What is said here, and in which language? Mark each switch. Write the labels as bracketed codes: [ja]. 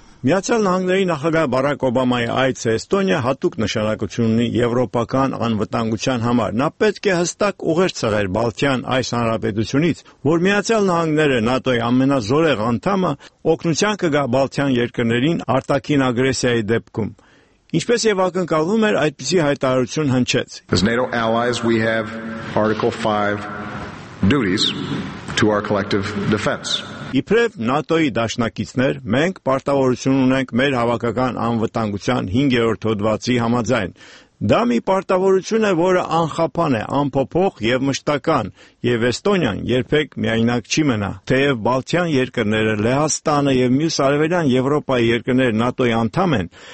[hy] Միացյալ Նահանգների նախագահ Բարակ Օբամայի այցը Էստոնիա հատուկ նշանակություն ունի եվրոպական անվտանգության համար։ Նա պետք է հստակ ուղեր ցղեր Բալթյան այս հանրապետությունից, որ Միացյալ Նահանգները, ՆԱՏՕ-ի ամենազորեղ անդամը, օգնության կգա Բալթյան երկրներին արտաքին ագրեսիայի դեպքում։ Ինչպես եւ ակնկալվում էր, այդպիսի հայտարարություն հնչեց. [en] NATO allies, we have Article 5 duties to our collective defense. [hy] Իբրև ՆԱՏՕ-ի դաշնակիցներ, մենք պարտավորություն ունենք մեր հավաքական անվտանգության 5-րդ հոդվացի համաձայն։ Դա մի պարտավորություն է, որը անխափան է, անփոփոխ և մշտական, և Էստոնիան երբեք միայնակ չի մնա, թեև Բալթյան երկրները, Լեհաստանը և մյուս արևելյան Եվրոպայի երկրները ՆԱՏՕ-ի անդամ են,